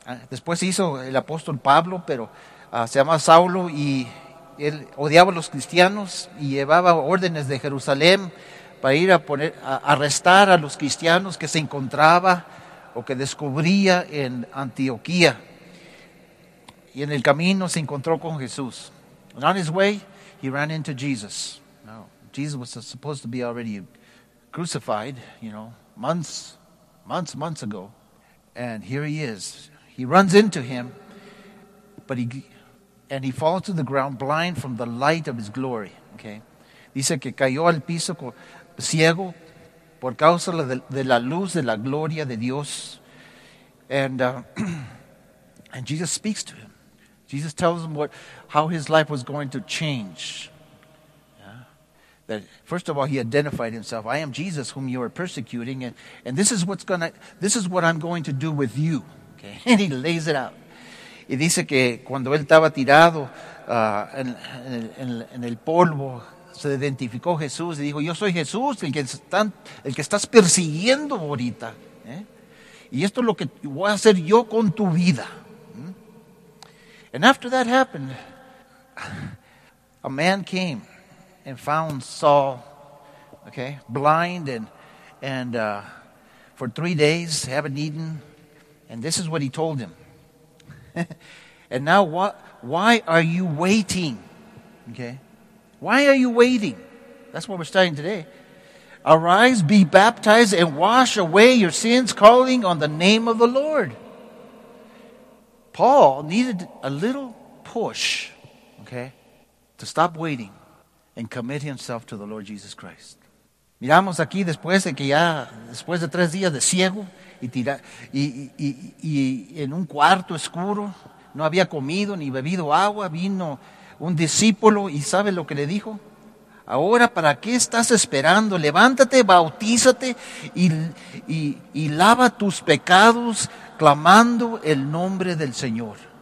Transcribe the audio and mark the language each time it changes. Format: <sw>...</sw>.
<es>Después se hizo el apóstol Pablo, pero se llamaba Saulo y él odiaba a los cristianos y llevaba órdenes de Jerusalén para ir a arrestar a los cristianos que se encontraba o que descubría en Antioquía. Y en el camino se encontró con Jesús.</es> <en>And on his way, he ran into Jesus. Jesus was supposed to be already crucified, you know, months ago. And here he is. He runs into him, but he falls to the ground blind from the light of his glory. Okay.</en> <es>Dice que cayó al piso ciego por causa de la luz de la gloria de Dios.</es> <en>And Jesus speaks to him. Jesus tells him how his life was going to change. That first of all, he identified himself. I am Jesus, whom you are persecuting, and this is what I'm going to do with you. Okay? And he lays it out.</en> <es>Y dice que cuando él estaba tirado en el polvo, se identificó Jesús y dijo, yo soy Jesús, el que estás persiguiendo ahorita. Y esto es lo que voy a hacer yo con tu vida.</es> <en>And after that happened, a man came. And found Saul, okay, blind and for 3 days, haven't eaten. And this is what he told him. And now why are you waiting? Okay, why are you waiting? That's what we're studying today. Arise, be baptized, and wash away your sins, calling on the name of the Lord. Paul needed a little push, okay, to stop waiting. And commit himself to the Lord Jesus Christ.</en> <es>Miramos aquí después de 3 días de ciego y en un cuarto oscuro, no había comido ni bebido agua, vino un discípulo y sabe lo que le dijo. Ahora, ¿para qué estás esperando? Levántate, bautízate y lava tus pecados clamando el nombre del Señor.</es>